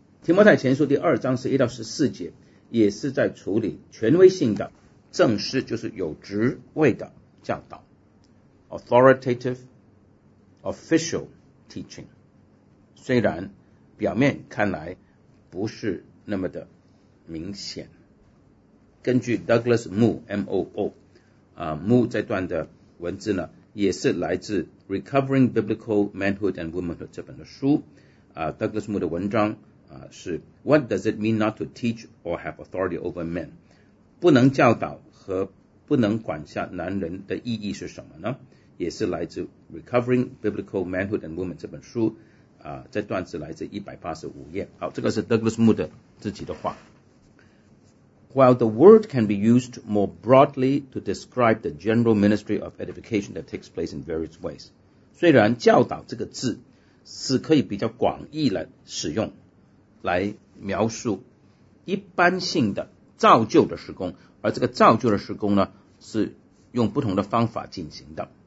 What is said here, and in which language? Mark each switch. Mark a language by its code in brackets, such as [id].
[zh] 提摩太前书第二章十一到十四节也是在处理权威性的正式，就是有职位的教导 [en] authoritative official teaching， [zh] 虽然表面看来不是那么的明显。根据 Douglas Moo M-O-O、Moo 这段的文字呢，也是来自 Recovering Biblical Manhood and Womanhood 这本的书、Douglas Moo 的文章、是 [en] What does it mean not to teach or have authority over men， [zh] 不能教导和不能管辖男人的意义是什么呢，也是来自 Recovering Biblical Manhood and Woman 这本书、这段是来自185页。好，这个是 Douglas Moo 的自己的话。 [en] While the word can be used more broadly to describe the general ministry of edification that takes place in various ways， [zh] 虽然教导这个字是可以比较广义来使用，来描述一般性的造就的施工，而这个造就的施工呢，是用不同的方法进行的。